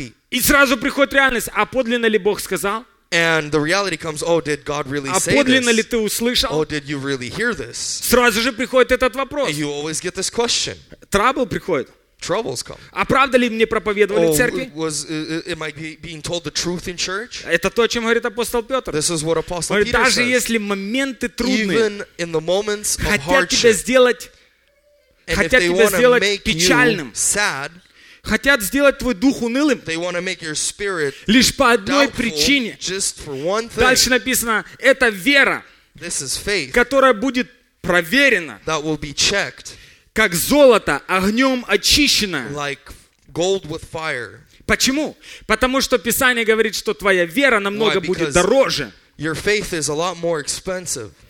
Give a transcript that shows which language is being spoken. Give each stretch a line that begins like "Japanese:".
Russian: И сразу приходит реальность. А подлинно ли Бог сказал?
English: And the reality comes, oh, did God really say this?
Russian: А подлинно ли ты услышал?
English: Oh, did you really hear this?
Russian: Сразу же приходит этот вопрос.
English: And you always get this question.
Russian: Trouble приходит.
English: Troubles come.
Russian: А правда ли мне проповедовали в церкви?
English: Am I being told the truth in church?
Russian: Это то, о чем говорит апостол Петр.
English: This is what Apostle
Russian: говорит,
English: Peter
Russian: даже
English: says.
Russian: Даже если моменты трудные,
English: even in the moments of
Russian: хотят
English: hardship,
Russian: тебя сделать, хотят тебя сделать печальным,
English: sad,
Russian: хотят сделать твой дух унылым лишь по одной причине. Дальше написано, это вера,
English: faith,
Russian: которая будет проверена,
English: checked,
Russian: как золото огнем очищено.
English: Like gold with fire.
Russian: Почему? Потому что Писание говорит, что твоя вера намного будет дороже,
English: your faith is a lot more expensive.